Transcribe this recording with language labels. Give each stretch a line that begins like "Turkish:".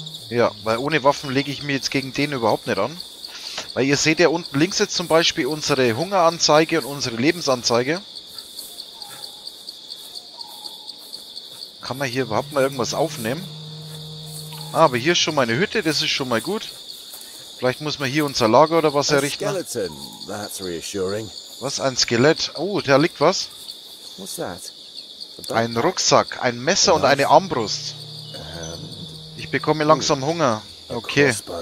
German: Ja, weil ohne Waffen lege ich mir jetzt gegen den überhaupt nicht an. Weil ihr seht ja unten links jetzt zum Beispiel unsere Hungeranzeige und unsere Lebensanzeige. Kann man hier überhaupt mal irgendwas aufnehmen? Ah, aber hier ist schon meine Hütte, das ist schon mal gut. Vielleicht muss man hier unser Lager oder was errichten.
English: Ein Skeleton, that's reassuring.
German: Was, ein Skelett? Oh, da liegt was.
English: What's that?
German: Ein Rucksack, ein Messer und eine Armbrust. Ich bekomme langsam Hunger. Okay.